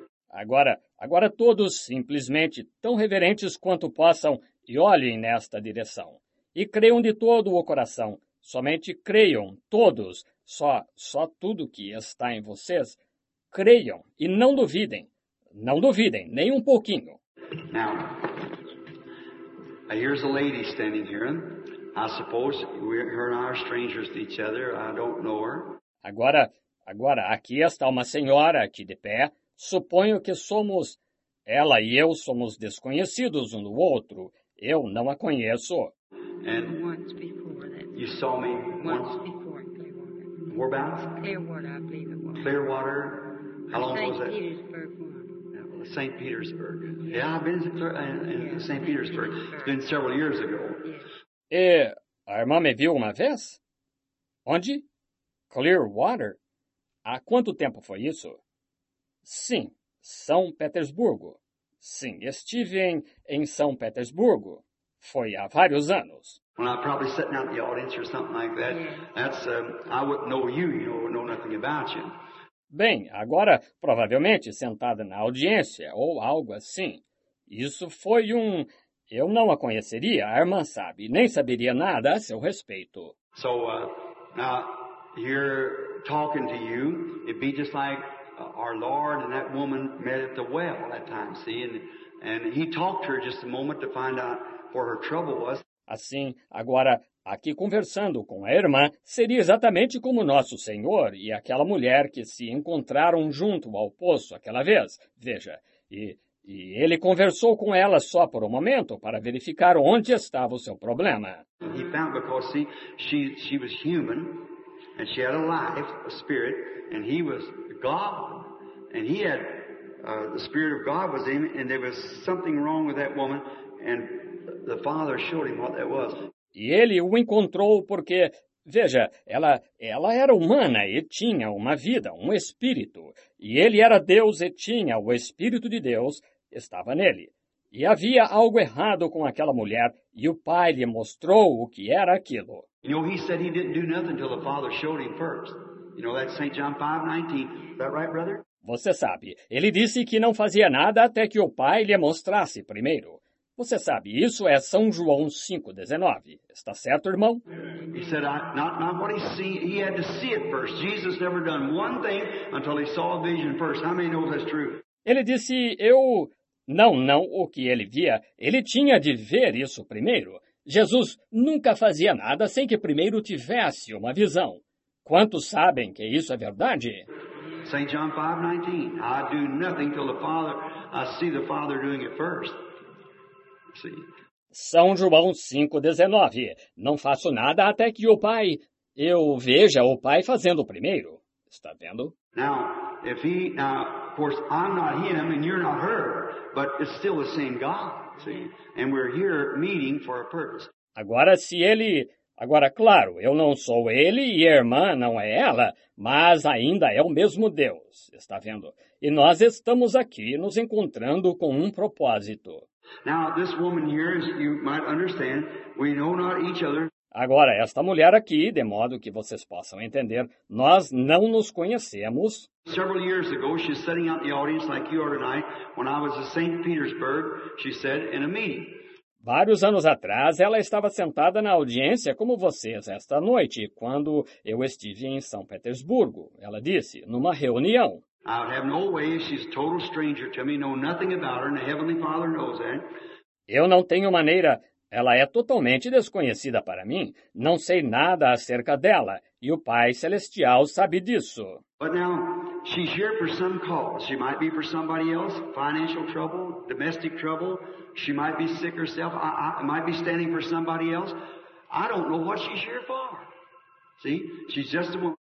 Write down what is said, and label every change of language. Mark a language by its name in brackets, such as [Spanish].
[Portuguese] Agora todos simplesmente tão reverentes quanto possam e olhem nesta direção. E creiam de todo o coração. Somente creiam, todos, só tudo que está em vocês. Creiam e não duvidem. Não duvidem, nem um pouquinho. [English] Now, here's a lady standing here. I suppose her and I are strangers to each other. I don't know her. [Portuguese] Agora, aqui está uma senhora aqui de pé. Suponho que somos, ela e eu somos desconhecidos um do outro. Eu não a conheço. [English] And once before, you saw me once before in Clearwater. Whereabouts? Clearwater, I believe it was. Clearwater. How long was that? St. Petersburg. Yeah, well, St. Petersburg. Yeah, I've been in St. Petersburg. It's been several years ago. [Portuguese] E a irmã me viu uma vez? Onde? Clearwater? Há quanto tempo foi isso? Sim, São Petersburgo. Sim, estive em São Petersburgo. Foi há vários anos. [English] Well, I'm probably sitting out in the audience or something like that. That's, I wouldn't know you, you know, know nothing about you. [Portuguese] Bem, agora, provavelmente, sentada na audiência ou algo assim. Isso foi um... Eu não a conheceria, a irmã sabe, nem saberia nada a seu respeito. [English] So, now, here talking to you, it'd be just like our Lord and that woman met at the well that time, see? And he talked to her just a moment to find out where her trouble was. [Portuguese] Assim, agora, aqui conversando com a irmã, seria exatamente como nosso Senhor e aquela mulher que se encontraram junto ao poço aquela vez. Veja, e ele conversou com ela só por um momento para verificar onde estava o seu problema. [English] He found because, see, she was human, and she had a life, a spirit, and he was God, and he had the spirit of God was in him, and there was something wrong with that woman, and the father showed him what that was. [Portuguese] E ele o encontrou porque, veja, ela era humana e tinha uma vida, um espírito. E ele era Deus e tinha o Espírito de Deus, estava nele. E havia algo errado com aquela mulher, e o pai lhe mostrou o que era aquilo. [English] You know, he said he didn't do nothing until the father showed him first. You know, that's St. John 5:19. Is that right, brother? [Portuguese] Você sabe, ele disse que não fazia nada até que o pai lhe mostrasse primeiro. Você sabe, isso é São João 5:19. Está certo, irmão? [English] He said, not what he see. He had to see it first. Jesus never done one thing until he saw a vision first. How many know that's true? [Portuguese] Ele disse, eu... Não, o que ele via. Ele tinha de ver isso primeiro. Jesus nunca fazia nada sem que primeiro tivesse uma visão. Quantos sabem que isso é verdade? [English] St. John 5:19. I do nothing till the Father, I see the Father doing it first. [Portuguese] São João 5:19. Não faço nada até que o Pai... Eu veja o Pai fazendo primeiro. Está vendo? [English] Now, if he... Now, of course, I'm not him and you're not her, but it's still the same God, see? And we're here meeting for a purpose. [Portuguese] Agora, se ele... Agora, claro, eu não sou ele e a irmã não é ela, mas ainda é o mesmo Deus. Está vendo? E nós estamos aqui nos encontrando com um propósito. [English] Now, this woman here, as you might understand, we know not each other. [Portuguese] Agora, esta mulher aqui, de modo que vocês possam entender, nós não nos conhecemos. [English] Several years ago, she's sitting out in the audience like you are tonight, when I was in St. Petersburg, she said, in a meeting. [Portuguese] Vários anos atrás, ela estava sentada na audiência como vocês esta noite, quando eu estive em São Petersburgo. Ela disse, numa reunião. [English] I would have no way, she's a total stranger to me, know nothing about her, and the Heavenly Father knows that. [Portuguese] Eu não tenho maneira, ela é totalmente desconhecida para mim, não sei nada acerca dela, e o Pai Celestial sabe disso. [English] But now, she's here for some cause, she might be for somebody else, financial trouble, domestic trouble, she might be sick herself, I might be standing for somebody else, I don't know what she's here for, see, she's just a woman.